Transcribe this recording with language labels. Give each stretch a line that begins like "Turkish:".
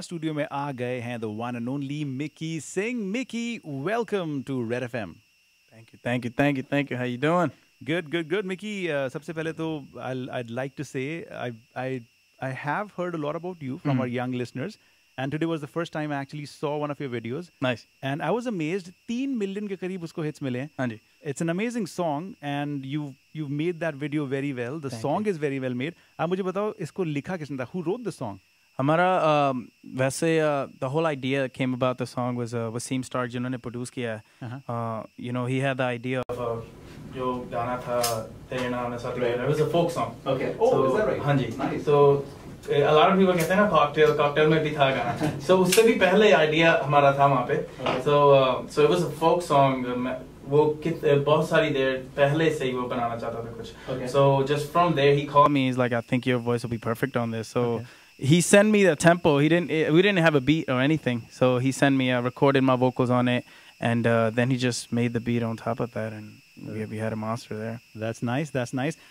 Hindi: Studio में आ गए हैं
English: the one and only
Hindi: Mickey Singh.
English: Miki, welcome to Red F M. Thank you. How you doing? Good. Miki,
Hindi: सबसे पहले तो
English: I like to say I have heard a lot about you from our young listeners. And today was the first time I actually saw one of your videos. Nice. And I was amazed.
Hindi: 3 million ke kareeb usko hits mile. Haan ji.
English: It's an amazing song, and you've made that video very well. The Thank song you. Is very well made.
Hindi: Aap mujhe batao, isko likha kisne tha?
English: Who wrote the song?
Hindi: Hamara वैसे
English: the whole idea that came about the song was Wasim Star,
Hindi: jinhone produce kiya.
English: You know, he had the idea of
Hindi: jo gana tha tere naam mein saath gaya.
English: It was a folk song. Okay. Oh, so, is that right? Haan ji. Nice. So. A lot of people
Hindi: कहते हैं ना cocktail में भी था गाना. So उससे भी पहले idea हमारा था वहाँ पे.
English: So it was a folk song.
Hindi: वो बहुत सारी देर पहले से ही वो बनाना चाहता था कुछ.
English: So just from there he called me. He's like, I think your voice will be perfect on this. So he sent me the tempo. We didn't have a beat or anything. So he sent me, recorded my vocals on it, and then he just made the beat on top of that and. We had a monster there. That's nice.